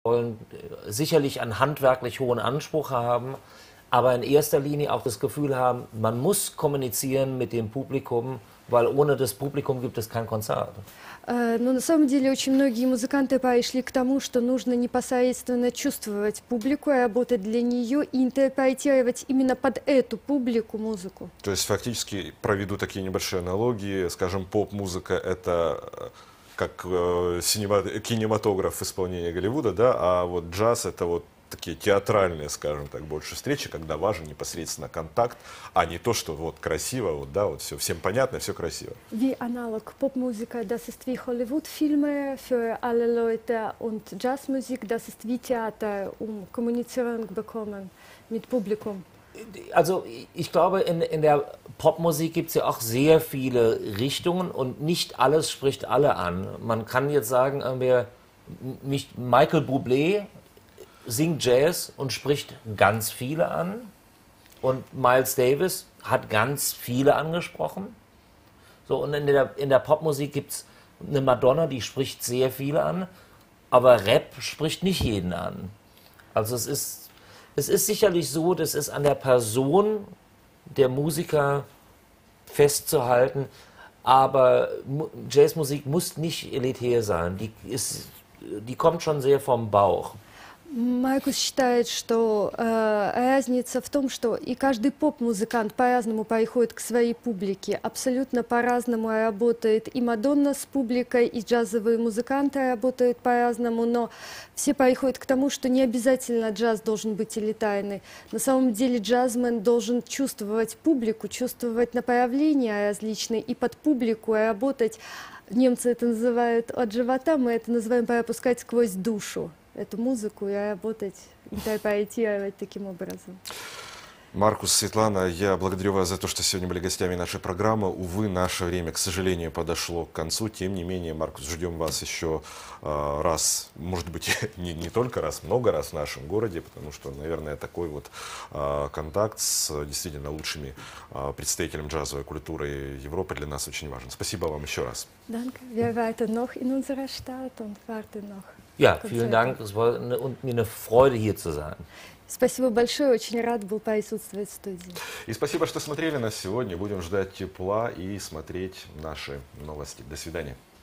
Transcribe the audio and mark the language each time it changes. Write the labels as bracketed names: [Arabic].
[German] wollen, sicherlich einen handwerklich hohen Anspruch haben, aber in erster Linie auch das Gefühl haben, man muss kommunizieren mit dem Publikum, weil ohne das Publikum gibt es kein Konzert. [Russian] Но на самом деле очень многие музыканты пошли к тому, что нужно непосредственно чувствовать публику и работать для нее, и интерпретировать именно под эту публику музыку. То есть фактически проведу такие небольшие аналогии, скажем, поп-музыка это как кинематограф исполнения Голливуда, да, а вот джаз это вот такие театральные, скажем так, больше встречи, когда важен непосредственно контакт, а не то, что вот красиво, вот да, вот все всем понятно, все красиво. [German] Wie analog Popmusiker, das ist wie Hollywood-Filme für alle Leute und Jazzmusik, das ist wie Theater, um kommunizieren bekommen mit Publikum. Also ich glaube, in der Popmusik gibt es ja auch sehr viele Richtungen und nicht alles spricht alle an. Man kann jetzt sagen, irgendwie, mich, Michael Bublé singt Jazz und spricht ganz viele an. Und Miles Davis hat ganz viele angesprochen. So, und in der Popmusik gibt es eine Madonna, die spricht sehr viele an, aber Rap spricht nicht jeden an. Also es ist sicherlich so, das ist an der Person der Musiker festzuhalten, aber Jazzmusik muss nicht elitär sein. Die kommt schon sehr vom Bauch. [Russian] Маркус считает, что разница в том, что и каждый поп-музыкант по-разному приходит к своей публике, абсолютно по-разному работает и Мадонна с публикой, и джазовые музыканты работают по-разному, но все приходят к тому, что не обязательно джаз должен быть элитарный. На самом деле джазмен должен чувствовать публику, чувствовать направления различные и под публику работать. Немцы это называют от живота, мы это называем пропускать сквозь душу. Эту музыку и работать, интерпретировать таким образом. Маркус, Светлана, я благодарю вас за то, что сегодня были гостями нашей программы. Увы, наше время, к сожалению, подошло к концу. Тем не менее, Маркус, ждем вас еще раз, может быть, не только раз, много раз в нашем городе, потому что, наверное, такой вот контакт с действительно лучшими представителями джазовой культуры Европы для нас очень важен. Спасибо вам еще раз. [German] Danke. Wir warten noch in unserer Stadt und warten noch. Ja, vielen Dank. Es war und mir eine Freude, hier zu sein. [Russian] Спасибо большое, очень рад был присутствовать в студии. И спасибо, что смотрели нас сегодня. Будем ждать тепла и смотреть наши новости. До свидания.